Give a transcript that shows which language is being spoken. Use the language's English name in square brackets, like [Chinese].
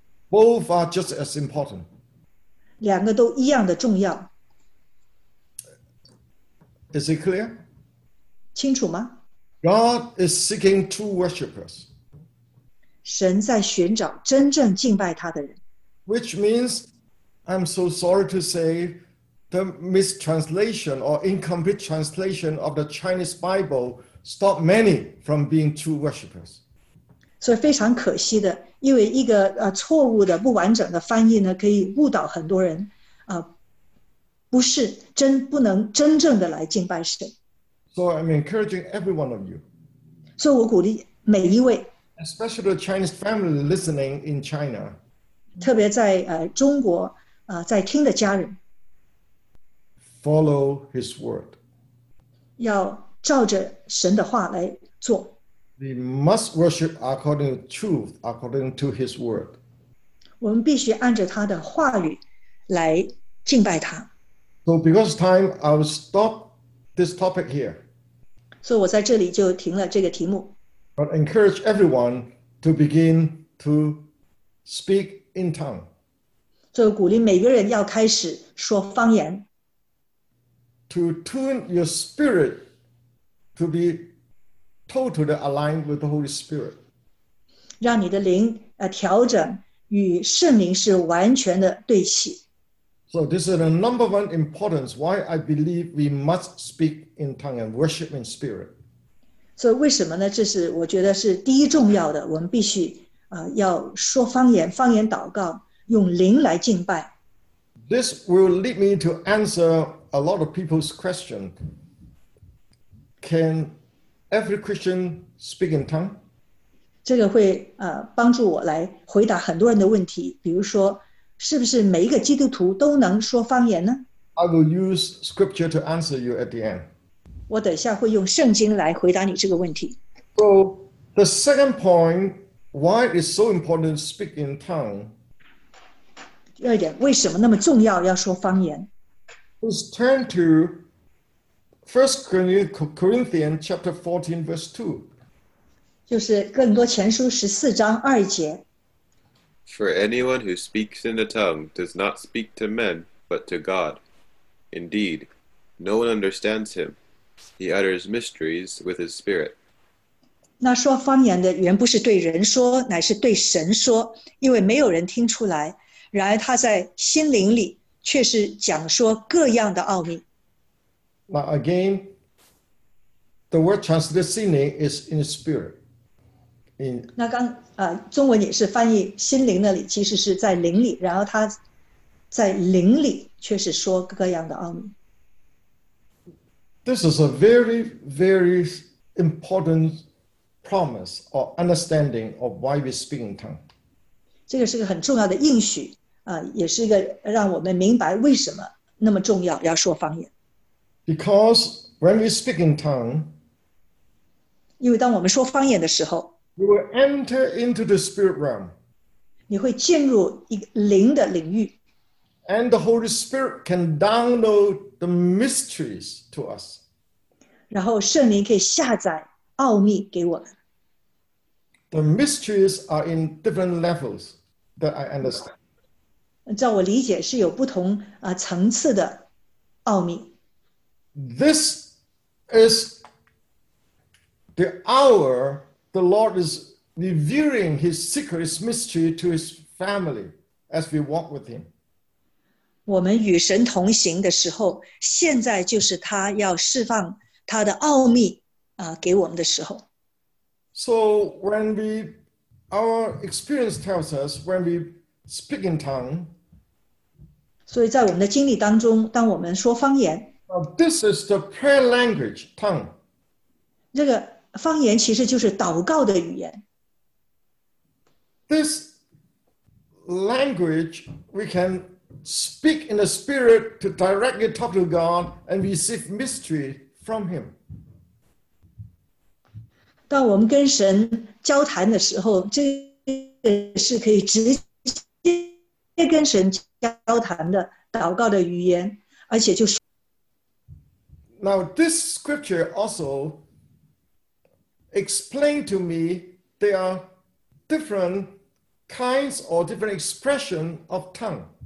[English] Both are just as important. [Chinese] 两个都一样的重要。 [English] Is it clear? [Chinese] 清楚吗? [English] God is seeking true worshipers. [Chinese] 神在寻找真正敬拜他的人。 [English] Which means, I'm so sorry to say, the mistranslation or incomplete translation of the Chinese Bible stopped many from being true worshipers. [Chinese] 所以非常可惜的，因为一个错误的不完整的翻译呢，可以误导很多人，不是真不能真正的来敬拜神。 [English] So I'm encouraging every one of you. [Chinese] 所以我鼓励每一位。 [English] Especially the Chinese family listening in China. [Chinese] 特别在中国在听的家人。 [English] Follow His word. [Chinese] 要照着神的话来做。 [English] We must worship according to truth, according to His word. [Chinese] 我们必须按着他的话语来敬拜他。 [English] So because of time, I will stop this topic here. [Chinese] 所以我在这里就停了这个题目。 [English] But encourage everyone to begin to speak in tongues. [Chinese] 所以鼓励每个人要开始说方言。 [English] To tune your spirit to be totally aligned with the Holy Spirit. [Chinese] 让你的灵调整与圣灵是完全的对齐。 [English] So this is the number one importance why I believe we must speak in tongues and worship in spirit. [Chinese] 所以为什么呢？这是我觉得是第一重要的。我们必须要说方言，方言祷告，用灵来敬拜。 [English] This will lead me to answer a lot of people's question. Can every Christian speak in tongue? [Chinese] 这个会帮助我来回答很多人的问题，比如说。是不是每一个基督徒都能说方言呢？ [English] I will use scripture to answer you at the end. [Chinese] 我等一下会用圣经来回答你这个问题。 [English] So the second point, why is so important to speak in tongue? [Chinese] 第二点，为什么那么重要要说方言？ [English] Let's turn to 1 Corinthians chapter 14 verse 2. [Chinese] 就是哥林多前书14章2节。 [English] For anyone who speaks in a tongue does not speak to men, but to God. Indeed, no one understands him. He utters mysteries with his spirit. [Chinese] 那说方言的原不是对人说，乃是对神说，因为没有人听出来。然而他在心灵里却是讲说各样的奥秘。 [English] Now again, the word translated singing is in spirit. [Chinese] 那刚中文也是翻译心灵那里，其实是在灵里，然后他在灵里却是说各样的奥秘。 [English] This is a very, very important promise or understanding of why we speak in tongues. [Chinese] 这个是个很重要的应许，也是一个让我们明白为什么那么重要要说方言。 [English] Because when we speak in tongues, [Chinese] 因为当我们说方言的时候， [English] You will enter into the spirit realm. [Chinese] 你会进入一个灵的领域。 [English] And the Holy Spirit can download the mysteries to us. [Chinese] 然后圣灵可以下载奥秘给我们。 [English] The mysteries are in different levels that I understand. [Chinese] 照我理解是有不同层次的奥秘。 [English] This is the hour The Lord is revealing His secret, His mystery to His family as we walk with Him. [Chinese] 我们与神同行的时候，现在就是他要释放他的奥秘给我们的时候。 [English] So when our experience tells us when we speak in tongues. [Chinese] 所以在我们的经历当中，当我们说方言。 [English] This is the prayer language, tongue. [Chinese] 这个。方言其实就是祷告的语言。 [English] This language we can speak in the spirit to directly talk to God and receive mystery from Him. [Chinese] 当我们跟神交谈的时候，这个是可以直接跟神交谈的祷告的语言，而且就是。 [English] Now this scripture also. Explain to me there are different kinds or different expression of tongue.